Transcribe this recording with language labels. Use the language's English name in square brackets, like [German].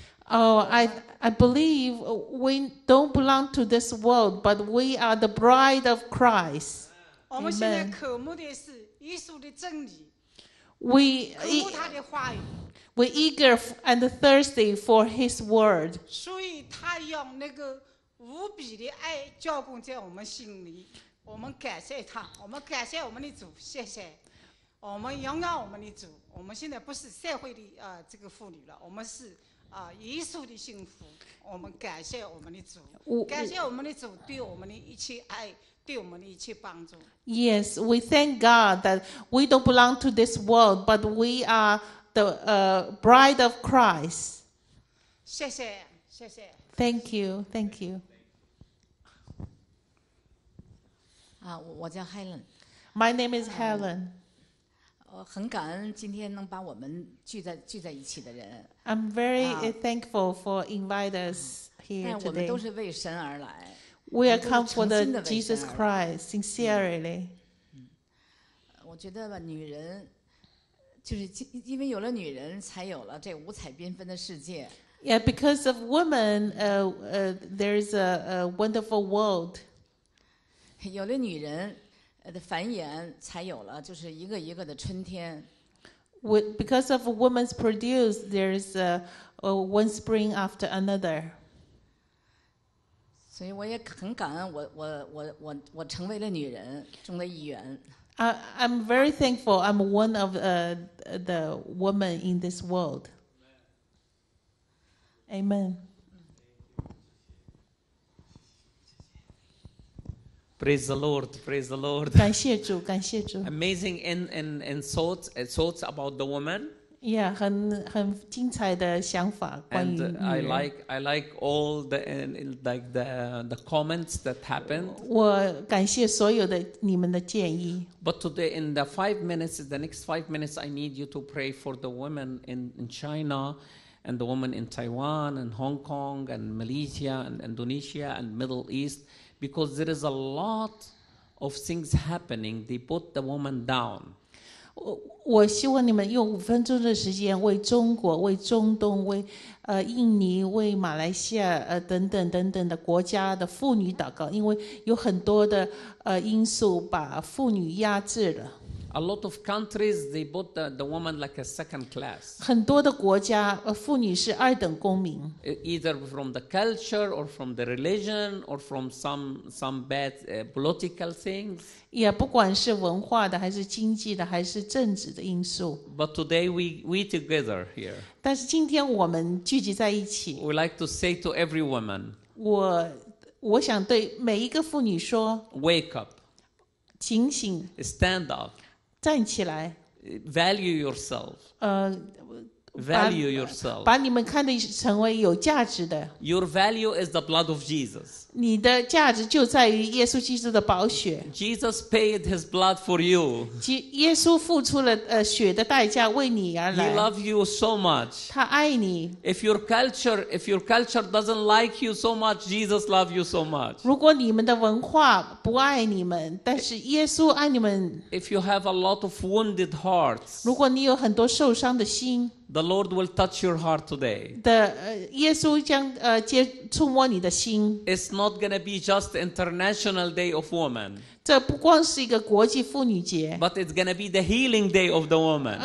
[English] Oh, I believe we don't belong to this world, but we are the bride of Christ. [Chinese] 我们现在渴慕的是耶稣的真理。 [English] We [Chinese] 渴慕他的话语。 [English] We eager and thirsty for His word. [Chinese] 所以他用那个。无比的爱浇灌在我们心里，我们感谢他，我们感谢我们的主，谢谢。我们荣耀我们的主，我们现在不是社会的这个妇女了，我们是耶稣的幸福。我们感谢我们的主，感谢我们的主对我们的一切爱，对我们的一切帮助。 [English] Yes, we thank God that we don't belong to this world, but we are the bride of Christ. [Chinese] 谢谢，谢谢。 [English] Thank you, thank you. [Chinese] 啊，我叫 Helen. [English] My name is Helen. [Chinese] 很感恩今天能把我们聚在一起的人。 [English] I'm very thankful for invite us here today. [Chinese] 我们都是为神而来。 [English] We are come for the Jesus Christ sincerely. [Chinese] 我觉得吧，女人就是因为有了女人，才有了这五彩缤纷的世界。 [English] Yeah, because of women, there is a wonderful world. [Chinese] 有了女人。的繁衍才有了，就是一个一个的春天。 [English] Because of women's produce, there is one spring after another. [Chinese] 所以我也很感恩我成为了女人中的一员。 [English] I'm very thankful. I'm one of the women in this world. Amen. Praise the Lord, praise the Lord. [Chinese] 感谢主，感谢主。 [English] Amazing and thoughts about the woman. [Chinese] Yeah, 很精彩的想法关于女人。 [English] And I like all the like the comments that happened. [Chinese] 我感谢所有的你们的建议。 [English] But today in the 5 minutes, the next 5 minutes, I need you to pray for the women in China. And the woman in Taiwan and Hong Kong and Malaysia and Indonesia and Middle East, because there is a lot of things happening. They put the woman down. [Chinese] 我希望你们用五分钟的时间为中国、为中东、为印尼、为马来西亚等等等等的国家的妇女祷告，因为有很多的因素把妇女压制了。 [English] A lot of countries they put the woman like a second class. [Chinese] 很多的国家，妇女是二等公民。 [English] Either from the culture or from the religion or from some bad political things. [Chinese] Yeah, 不管是文化的，还是经济的，还是政治的因素。 [English] But today we together here. [Chinese] 但是今天我们聚集在一起。 [English] We like to say to every woman. [Chinese] 我想对每一个妇女说。 [English] Wake up. [Chinese] 警醒。 [English] Stand up. [Chinese] 站起来 [English] ，value yourself， value yourself， [Chinese] 把你们看得成为有价值的。 [English] Your value is the blood of Jesus。 [Chinese] 你的价值就在于耶稣基督的宝血。 [English] Jesus paid his blood for you。 [Chinese] 耶稣付出了血的代价为你而来。 [English] He loves you so much。 [Chinese] 他爱你。 [English] If your culture doesn't like you so much, Jesus loves you so much。 [Chinese] 如果你们的文化不爱你们，但是耶稣爱你们。 [English] If you have a lot of wounded hearts。 [Chinese] 如果你有很多受伤的心。 [English] The Lord will touch your heart today. [Chinese] 耶稣将触摸你的心。 [English] It's not going to be just International Day of Women. [Chinese] 这不光是一个国际妇女节。 [English] But it's going to be the Healing Day of the Woman.